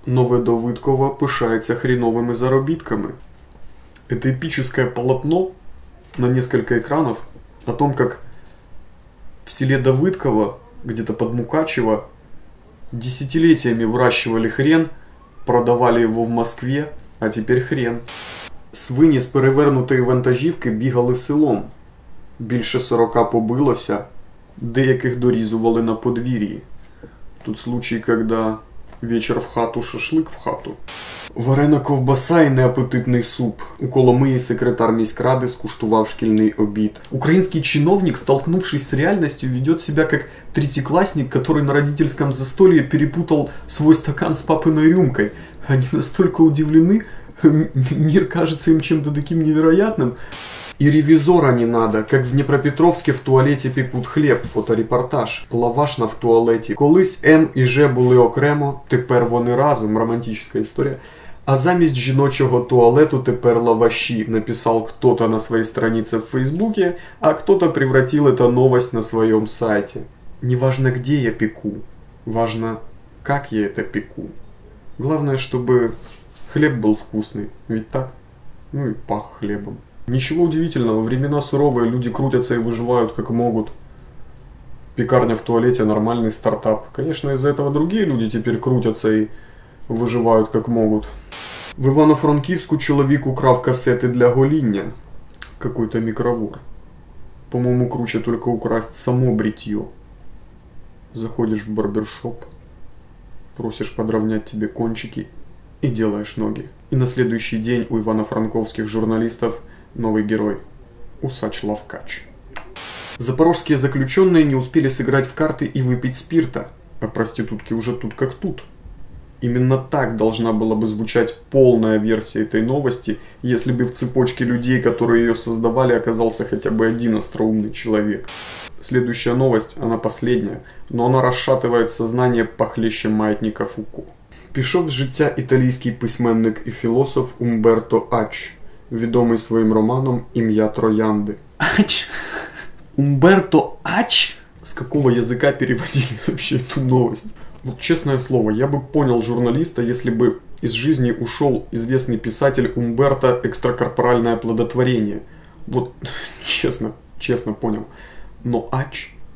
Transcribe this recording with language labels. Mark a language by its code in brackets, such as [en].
[ru] Новая Давыдкова пышается хреновыми заробитками. Это эпическое полотно на несколько экранов о том, как в селе Давыдково, где-то под Мукачево, десятилетиями выращивали хрен, продавали его в Москве, а теперь хрен. [uk] Свині з перевернутої вантажівки бігали селом. Більше 40 побилося, деяких дорізували на подвір'ї. Тут случай, коли вечір в хату, шашлик в хату. Варена ковбаса і неапетитний суп. У Коломиї секретар міськради скуштував шкільний обід. Український чиновник, [ru] столкнувшись з реальністю, ведет себя как третьеклассник, который на родительском застолье перепутал свой стакан с папиной рюмкой. Они настолько удивлены, мир кажется им чем-то таким невероятным. И ревизора не надо, как в Днепропетровске в туалете пекут хлеб. Фоторепортаж. Лавашна в туалете. [uk] Колись М и Ж були окремо, тепер вони разом. [ru] Романтическая история. [uk] А замість жіночого туалету тепер лаваші, [ru] написал кто-то на своей странице в Фейсбуке, а кто-то превратил эту новость на своем сайте. Не важно, где я пеку, важно, как я это пеку. Главное, чтобы хлеб был вкусный, ведь так? Ну и пах хлебом. Ничего удивительного, времена суровые, люди крутятся и выживают как могут. Пекарня в туалете – нормальный стартап. Конечно, из-за этого другие люди теперь крутятся и выживают как могут. В Івано-Франківську человек украл кассеты [uk] для гоління. [ru] Какой-то микровор. По-моему, круче только украсть само бритье. Заходишь в барбершоп, просишь подровнять тебе кончики и делаешь ноги. И на следующий день у Івано-Франківських журналистов новый герой – усач Лавкач. Запорожские заключенные не успели сыграть в карты и выпить спирта, а проститутки уже тут как тут. Именно так должна была бы звучать полная версия этой новости, если бы в цепочке людей, которые ее создавали, оказался хотя бы один остроумный человек. Следующая новость, она последняя, но она расшатывает сознание похлеще маятника Фуку. [uk] Пішов з життя італійський письменник і філософ Умберто Ач, відомий своїм романом «Ім'я Троянди». Ач? Умберто Ач? [ru] З какого язика переводили вообще эту новость? Вот честное слово, я бы понял журналиста, если бы из жизни ушел известный писатель Умберто «Экстракорпоральное оплодотворение». Вот честно, честно понял. Но Ач?